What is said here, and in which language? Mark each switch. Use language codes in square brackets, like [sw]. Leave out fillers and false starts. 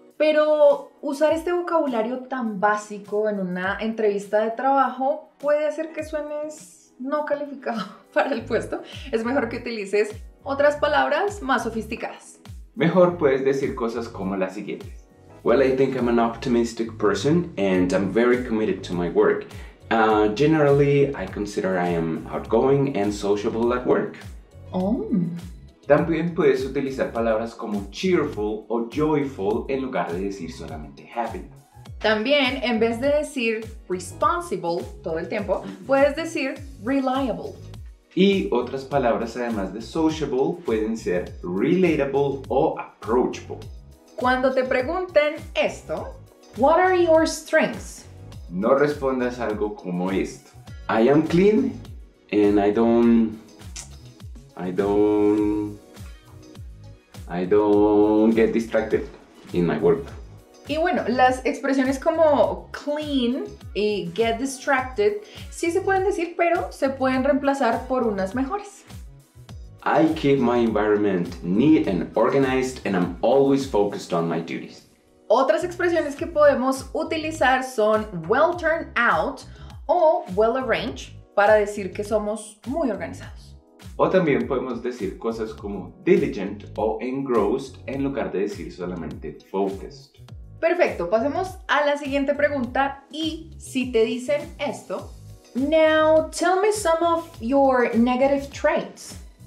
[es] Pero usar este vocabulario tan básico en una entrevista de trabajo puede hacer que suenes no calificado para el puesto. Es mejor que utilices otras palabras más sofisticadas. Mejor puedes decir cosas como las siguientes. [en] Well, I think I'm an optimistic person and I'm very committed to my work. Generally, I consider I am outgoing and sociable at work. Oh. [es] También puedes utilizar palabras como cheerful o joyful en lugar de decir solamente happy. También, en vez de decir responsible todo el tiempo, puedes decir reliable. Y otras palabras además de sociable pueden ser relatable o approachable. Cuando te pregunten esto, [en] what are your strengths? [es] No respondas algo como esto. [en] I am clean and I don't get distracted in my work. [es] Y bueno, las expresiones como clean y get distracted sí se pueden decir, pero se pueden reemplazar por unas mejores. [en] I keep my environment neat and organized and I'm always focused on my duties. [es] Otras expresiones que podemos utilizar son well turned out o well arranged para decir que somos muy organizados. O también podemos decir cosas como diligent o engrossed en lugar de decir solamente focused. Perfecto, pasemos a la siguiente pregunta y si te dicen esto. [en] Now, tell me some of your negative traits.